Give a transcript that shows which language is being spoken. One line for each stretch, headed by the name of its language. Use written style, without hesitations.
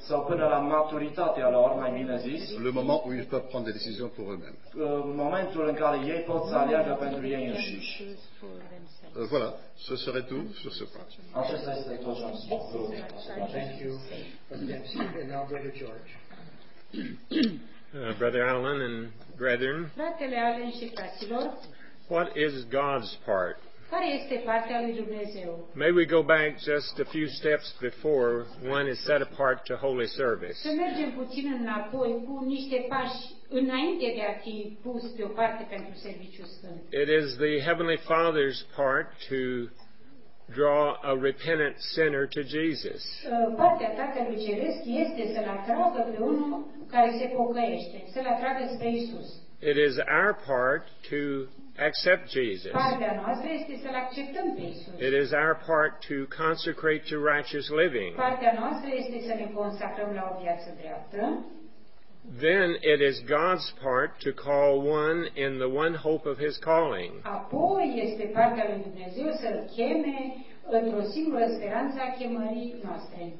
Romanian: sau până la maturitatea lor, mai bine zis,
French: le moment où ils peuvent prendre des décisions pour eux-mêmes.
Romanian: Momentul în care ei pot să aleagă pentru ei înșiși.
French: Voilà, ce serait tout sur ce point.
Romanian: Acesta este tot ce am spus.
English: Thank you. And now Brother George. Brother Alan and brethren.
Romanian: Fratele Alan și fraților.
English: What is God's part?
Romanian: Care este partea lui Dumnezeu?
English: May we go back just a few steps before one is set apart to holy service.
Romanian: Să mergem puțin înapoi cu niște pași înainte de a fi pus pe o parte pentru serviciul sfânt.
English: It is the Heavenly Father's part to draw a repentant sinner to Jesus.
Romanian: Partea Tatălui Ceresc este să-l atragă pe unul care se pocăiește, să-l atragă spre Isus.
English: It is our part to accept Jesus.
Romanian: Partea noastră este să-l acceptăm pe Isus.
English: It is our part to consecrate to righteous living.
Romanian: Partea noastră este să ne consacrăm la o viață dreaptă.
English: Then it is God's part to call one in the one hope of his calling.
Romanian: Apoi este partea lui Dumnezeu să-l cheme într-o singură speranță a chemării noastre.